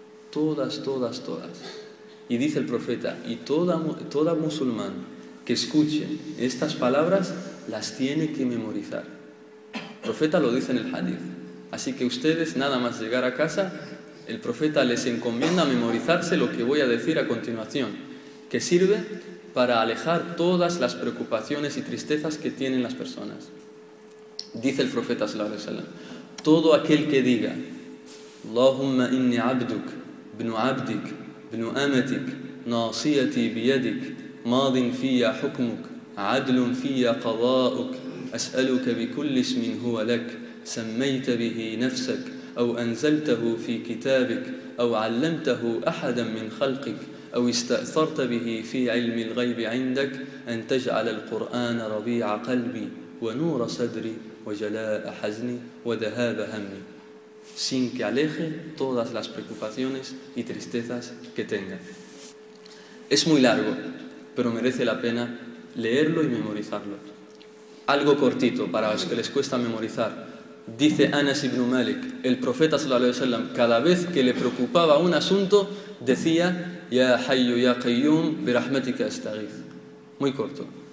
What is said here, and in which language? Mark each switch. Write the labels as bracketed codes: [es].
[es] Todas, todas, todas. Y dice el profeta, y toda musulmán que escuche estas palabras, las tiene que memorizar. El profeta lo dice en el hadith. Así que ustedes, nada más llegar a casa, el profeta les encomienda memorizarse lo que voy a decir a continuación, que sirve para alejar todas las preocupaciones y tristezas que tienen las personas. Dice el profeta, todo aquel que diga, [ar] Allahumma inni abduk, bnu abdik, bnu amatik, nasiyati biyadik, madin fiyya hukmuk, adlun fiyya qadauk, as'aluka bikulli ismin huwa lak, سميت به نفسك أو أنزلته في كتابك أو علمته أحدا من خلقك أو استأثرت به في علم الغيب عندك أن تجعل القرآن ربيع قلبي ونور صدري وجلاء حزني وذهاب همي. [es] Sin que aleje todas las preocupaciones y tristezas que tenga. Es muy largo, pero merece la pena leerlo y memorizarlo. Algo cortito para los que les cuesta memorizar. Dice Anas ibn Malik, el profeta sallallahu alaihi wasallam, cada vez que le preocupaba un asunto, decía [ar] Ya Hayyu Ya Qayyum bi rahmatika astaghith. [es] Muy corto.